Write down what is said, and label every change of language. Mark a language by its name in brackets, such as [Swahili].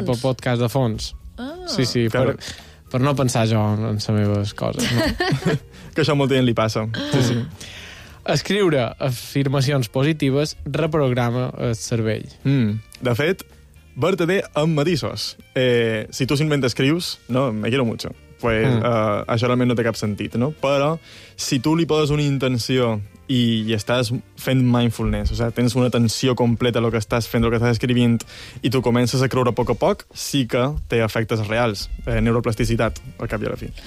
[Catalan] tipus podcast de fons. Ah. Sí, sí, [Spanish] claro. [Catalan] per no pensar jo en les meves coses. No? Que això a molta gent li passa. Sí, sí. Escriure afirmacions positives reprograma el cervell. De fet, verte-te amb matisos. Si tu simplement escrius, no, [Spanish] me quiero mucho. [Catalan] Pues, això realment no té cap sentit, no? Però si tu li poses una intenció i estàs fent mindfulness, o sigui, tens una atenció completa a lo que estàs fent, lo que estàs escrivint, i tu comences a creure a poc, sí que té efectes reals, neuroplasticitat, al cap i a la fi.